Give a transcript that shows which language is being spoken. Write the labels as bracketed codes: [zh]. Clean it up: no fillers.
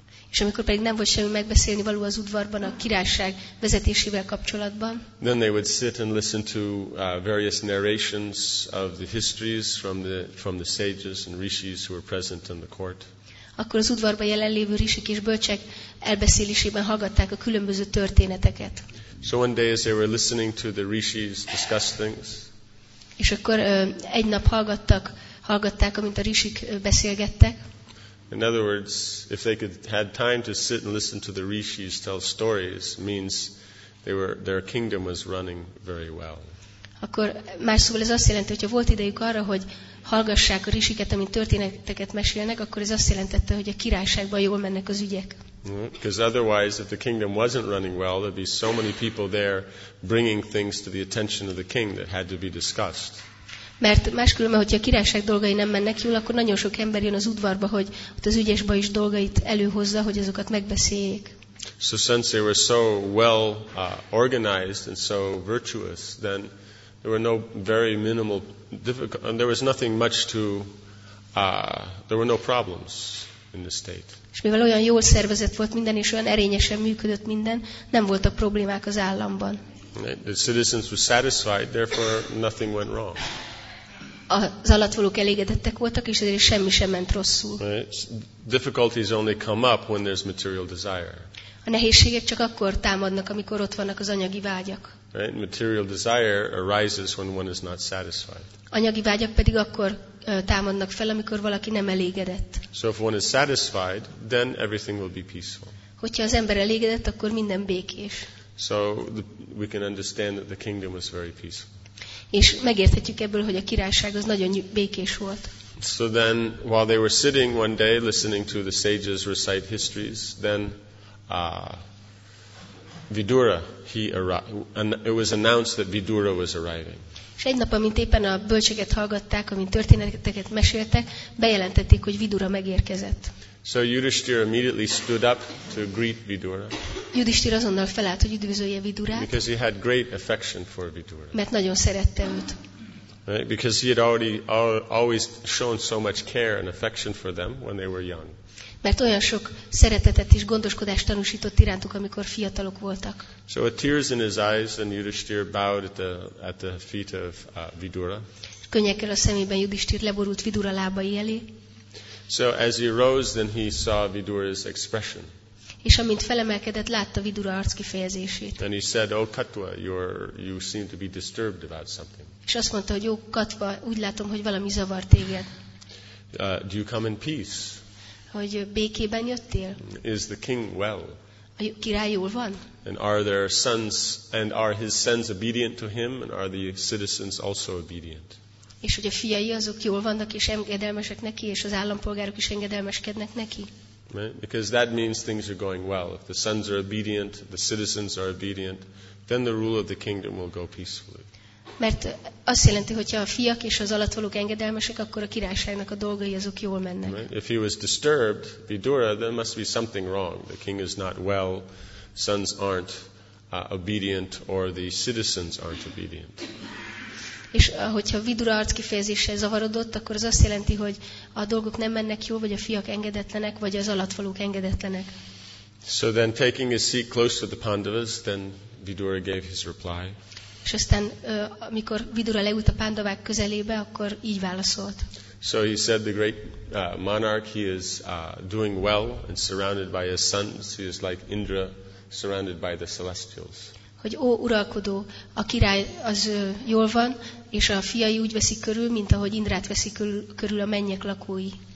[hu] És amikor pedig nem volt semmi megbeszélni való az udvarban a királyság vezetésével kapcsolatban. [en] Then they would sit and listen to various narrations of the histories from the sages and rishis who were present in the court. [hu] Akkor az udvarban jelenlévő rishik és bölcsek elbeszélésében hallgatták a különböző történeteket. [en] So one day as they were listening to the rishis discuss things. [hu] És akkor egy nap hallgatták, amint a rishik beszélgettek. [en] In other words, if they could had time to sit and listen to the rishis tell stories, means their kingdom was running very well. [hu] Akkor más szóval ez azt jelenti, hogy ha volt idejük arra, hogy hallgassák a risiket, amint történeteket mesélnek, akkor ez azt jelentette, hogy a királyságban jól mennek az ügyek. [en] Because otherwise, if the kingdom wasn't running well, there'd be so many people there bringing things to the attention of the king that had to be discussed. [hu] Mert máskülönben, hogyha a királyság dolgai nem mennek jól, akkor nagyon sok ember jön az udvarba, hogy ott az ügyes baj is dolgait előhozza, hogy azokat megbeszéljék. [en] So since they were so well organized and so virtuous, then there were no very minimal difficult, and there was nothing much to there were no problems in the state. [hu] És mivel olyan jól szervezett volt minden és olyan erényesen működött minden, nem voltak problémák az államban. [en] The citizens were satisfied, therefore nothing went wrong. [hu] Az alattvalók elégedettek voltak, és ezért semmi sem ment rosszul. [en] Difficulties only come up when there's material desire. [hu] A nehézségek csak akkor támadnak, amikor ott vannak az anyagi vágyak. [en] Right? Material desire arises when one is not satisfied. [hu] Anyagi vágyak pedig akkor támadnak fel, amikor valaki nem elégedett. [en] So if one is satisfied, then everything will be peaceful. [hu] Hogyha az ember elégedett, akkor minden békés. [en] So we can understand that the kingdom was very peaceful. [hu] És megérthetjük ebből, hogy a királyság az nagyon békés volt. [en] So then, while they were sitting one day, listening to the sages recite histories, then Vidura, he arrived. It was announced that Vidura was arriving. [hu] És egy nap, amint éppen a bölcseket hallgatták, amint történeteket meséltek, bejelentették, hogy Vidura megérkezett. [en] So Yudhishthira immediately stood up to greet Vidura. [hu] Yudhishthira azonnal felállt, hogy üdvözölje Vidurát. [en] Because he had great affection for Vidura. [hu] Mert nagyon szerette őt. [en] Right? Because he had already always shown so much care and affection for them when they were young. [hu] Mert olyan sok szeretetet és gondoskodást tanúsított irántuk, amikor fiatalok voltak. [en] So with tears in his eyes, and Yudhishthira bowed at the feet of Vidura. [hu] Könnyekkel a szemében Yudhishthira leborult Vidura lábai elé. [en] So as he rose, then he saw Vidura's expression. [hu] és amint felemelkedett, látta Vidura arc kifejezését. [en] And he said, "Oh Katwa, you seem to be disturbed about something." [hu] És azt mondta, hogy jó Katwa, úgy látom, hogy valami zavar téged. [en] Do you come in peace? [hu] Hogy békében jöttél? [en] Is the king well? [hu] A király jól van? [en] And are their sons and are his sons obedient to him and are the citizens also obedient? [hu] És hogy a fiai azok jól vannak és engedelmesek neki és az állampolgárok is engedelmeskednek neki? [en] Right? Because that means things are going well. If the sons are obedient, the citizens are obedient, then the rule of the kingdom will go peacefully. [hu] Mert azt jelenti, hogyha a fiak és az alattvalók engedelmesek, akkor a királyságnak a dolgai azok jól mennek. [en] Right? If he was disturbed, Vidura, there must be something wrong. The king is not well, sons aren't obedient, or the citizens aren't obedient. [hu] És hogyha Vidura arc kifejezéssel zavarodott, akkor az azt jelenti, hogy a dolgok nem mennek jól, vagy a fiak engedetlenek, vagy az alattvalók engedetlenek. [en] So then taking his seat close to the Pandavas, then Vidura gave his reply. [hu] És aztán, amikor Vidura leült a Pandavák közelébe, akkor így válaszolt. [en] So he said, the great monarch, he is doing well and surrounded by his sons. He is like Indra, surrounded by the celestials. [hu] Hogy ó uralkodó, a király az jól van, és a fiai úgy veszik körül, mint ahogy Indrát veszik körül a mennyek lakói.